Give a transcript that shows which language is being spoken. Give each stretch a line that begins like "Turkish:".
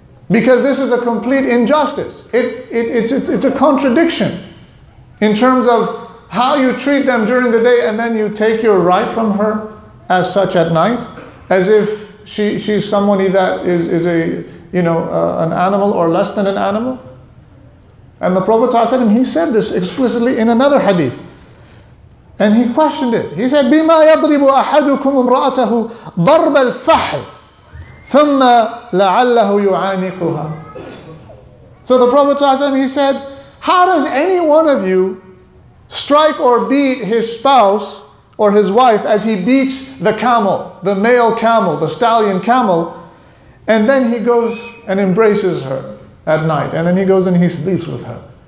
English: Because this is a complete injustice. It's a contradiction in terms of how you treat them during the day and then you take your right from her as such at night, as if she's somebody that is a, you know, an animal or less than an animal. And the Prophet ﷺ, he said this explicitly in another hadith. And he questioned it. He said,
Arabic: بِمَا يَضْرِبُ أَحَدُكُمْ امْرَأَتَهُ ضَرْبَ الْفَحْلِ ثُمَّ لَعَلَّهُ يُعَانِقُهَا.
English: So the Prophet ﷺ, he said, how does any one of you strike or beat his spouse or his wife as he beats the camel, the male camel, the stallion camel, and then he goes and embraces her at night, and then he goes and he sleeps with her?